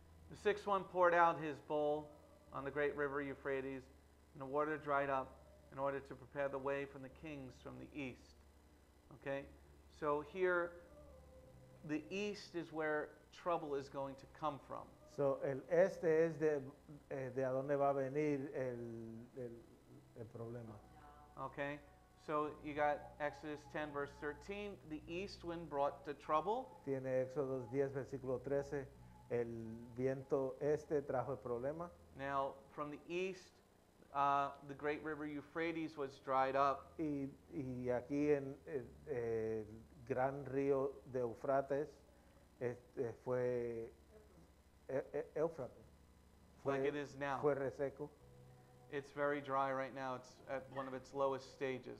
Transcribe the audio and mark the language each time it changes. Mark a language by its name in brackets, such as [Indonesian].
[English] The sixth one poured out his bowl on the great river Euphrates, and the water dried up in order to prepare the way for the kings from the east. Okay? So here, the east is where trouble is going to come from. [Spanish] So el este es de donde va a venir el problema. [English] Okay? So you got Exodus 10, verse 13. The east wind brought the trouble. [Spanish] Tiene Exodus 10, versículo 13. El viento este trajo el problema. [English] Now, from the east, the great river Euphrates was dried up. [Spanish] Y aquí en el gran río de Eufrates, fue Eufrates. [English] Like it is now. [Spanish] Fue reseco. [English] It's very dry right now. It's at one of its lowest stages.